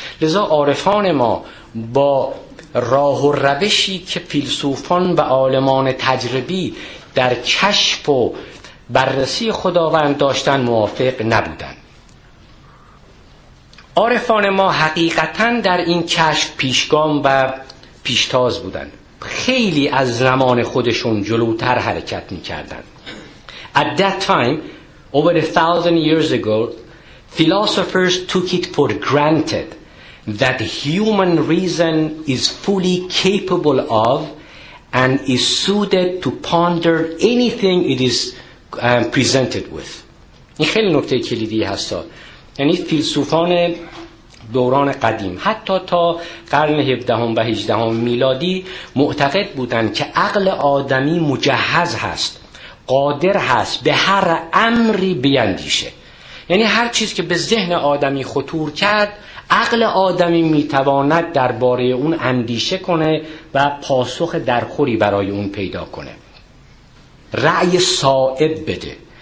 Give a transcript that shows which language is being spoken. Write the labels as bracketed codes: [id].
[fa] لذا عارفان ما با راه و روشی که فیلسوفان و عالمان تجربی در کشف و بررسی خداوند داشتن موافق نبودن. عارفان ما حقیقتاً در این کشف پیشگام و پیشتاز بودند. خیلی از زمان خودشون جلوتر حرکت میکردن. [en] At that time, over a thousand years ago, philosophers took it for granted that human reason is fully capable of and is suited to ponder anything it is presented with. [fa] این خیلی نکته کلیدی هست. یعنی فیلسوفان دوران قدیم، حتی تا قرن 17 و 18 میلادی، معتقد بودند که عقل آدمی مجهز هست، قادر هست به هر امری بیندیشه. یعنی هر چیز که به ذهن آدمی خطور کرد، عقل آدمی میتواند درباره اون اندیشه کنه و پاسخ درخوری برای اون پیدا کنه، رأی صائب بده.